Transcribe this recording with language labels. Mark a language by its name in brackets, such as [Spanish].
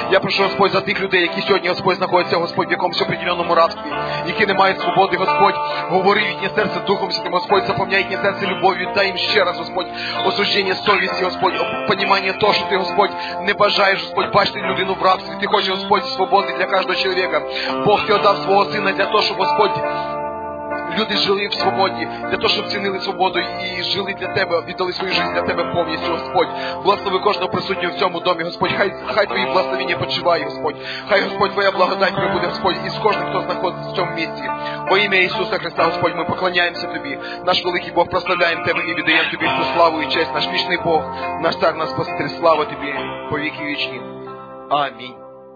[Ukrainian] Я прошу, Господь, за тих людей, які сьогодні, Господь, знаходяться, Господь, в якомусь определеному рабстві, які не мають свободи, Господь, говори їхнє серце Духом Святим, Господь, заповняй їхнє серце любов'ю, дай їм ще раз, Господь, осуждення совісті, Господь, [Russian] понимание то, что Ты, [Ukrainian] Господь, не бажаешь, Господь, бачить людину в рабстве. [Russian] Ты хочешь, Господь, свободы для каждого человека. Бог, Ты отдав своего Сына для того, чтобы, Господь, люди жили в свободе, для того, чтобы ценили свободу и жили для Тебе, віддали свою жизнь для Тебе повністю, Господь. [Ukrainian] Благослови каждого присутнього в цьому домі, Господь. Хай Твої благословення почивають, Господь. Хай, Господь, Твоя благодать прибуде, Господь, із кожним, хто знаходиться в цьому місці. Во ім'я Ісуса Христа, Господь, ми поклоняємося Тобі. Наш великий Бог, прославляємо Тебе і віддаємо Тобі всю славу і честь. Наш вічний Бог, наш Цар, наш Спаситель, слава Тобі, по віки вічні. Амінь.